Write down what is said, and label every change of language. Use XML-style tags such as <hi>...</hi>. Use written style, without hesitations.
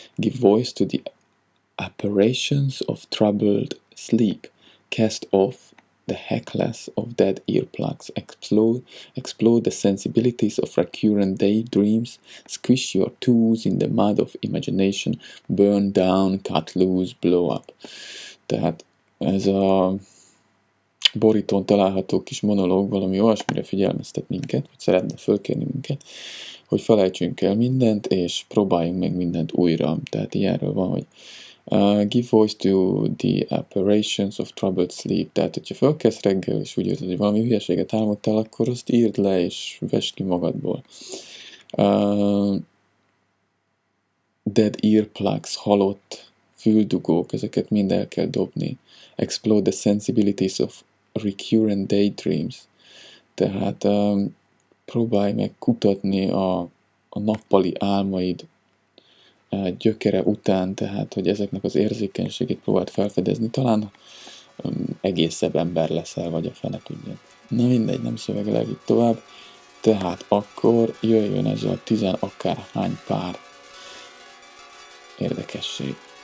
<en>Give voice to the apparitions of troubled sleep. Cast off the heckless of dead earplugs. Explode the sensibilities of recurrent daydreams. Squish your tools in the mud of imagination. Burn down, cut loose, blow up.</en> <hu>Tehát ez a borítón található kis monológ valami olyasmire figyelmeztet minket, vagy szeretne fölkérni minket, hogy felejtsünk el mindent, és próbáljunk meg mindent újra. Tehát ilyenről van, hogy</hu> <en>give voice to the apparitions of troubled sleep.</en> <hu>Tehát, hogyha fölkezd reggel, és úgy érzed, hogy valami hülyeséget álmodtál, akkor azt írd le, és vesd ki magadból.</hu> <en>Dead earplugs,</en> <hu>halott füldugók, ezeket mind el kell dobni.</hu> <en>Explode the sensibilities of recurrent daydreams.</en> <hu>Tehát próbálj meg kutatni a nappali álmaid gyökere után, tehát hogy ezeknek az érzékenységét próbáld felfedezni, talán egészebb ember leszel, vagy a fene tudja. Na mindegy, nem szöveglek itt tovább. Tehát akkor jöjjön ez a tizen akárhány pár érdekesség.</hu>